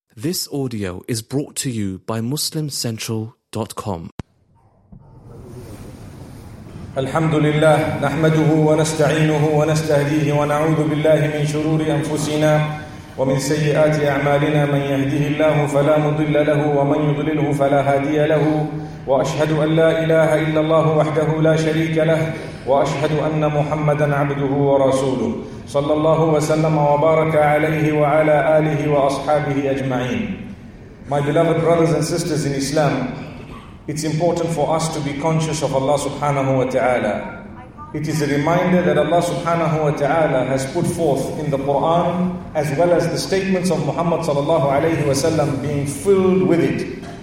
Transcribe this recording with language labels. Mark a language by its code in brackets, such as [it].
[en] This audio is brought to you by MuslimCentral.com. [ar] الحمد لله نحمده ونستعينه ونستهديه ونعوذ بالله من شرور أنفسنا ومن سيئات أعمالنا من يهده الله فلا مضل له ومن يضلله فلا هادي له وأشهد أن لا إله إلا الله وحده لا شريك له وأشهد أن محمدًا عبده ورسوله صلى الله وسلم وبارك عليه وعلى آله وأصحابه أجمعين. [en] My beloved brothers and sisters in Islam, it's important for us to be conscious of Allah subhanahu wa ta'ala. It is a reminder that Allah subhanahu wa ta'ala has put forth in the Quran as well as the statements of Muhammad sallallahu alayhi wa sallam being filled with it.